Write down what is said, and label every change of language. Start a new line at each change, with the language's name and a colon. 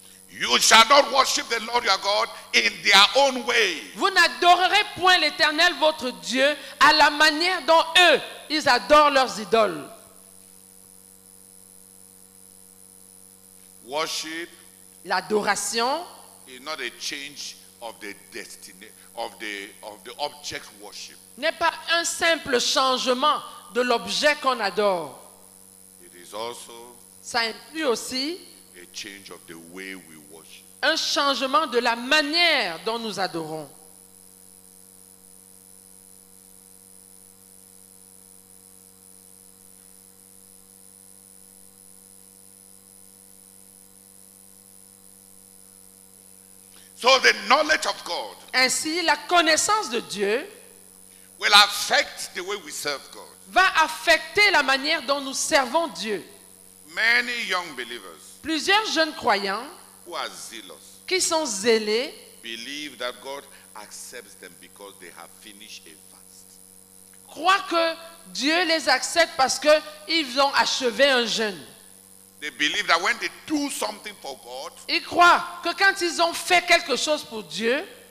English: You shall not worship the Lord your God in their own way.
French: Vous n'adorerez point l'Éternel votre Dieu à la manière dont eux, ils adorent leurs idoles.
English: Worship,
French: l'adoration,
English: is not a change of the destiny of the object worship.
French: N'est pas un simple changement de l'objet qu'on adore.
English: It is also,
French: ça inclut aussi,
English: a change of the way we worship.
French: Un changement de la manière dont nous adorons.
English: So the knowledge of God,
French: ainsi, la connaissance de Dieu
English: will affect the way we serve God.
French: Va affecter la manière dont nous servons Dieu.
English: Many young believers,
French: plusieurs jeunes croyants,
English: who are zealous,
French: qui sont zélés,
English: believe that God accepts them because they have finished a fast.
French: Croient que Dieu les accepte parce qu'ils ont achevé un jeûne.
English: They believe that when they do something for God,
French: ils croient que quand ils ont fait quelque chose pour Dieu,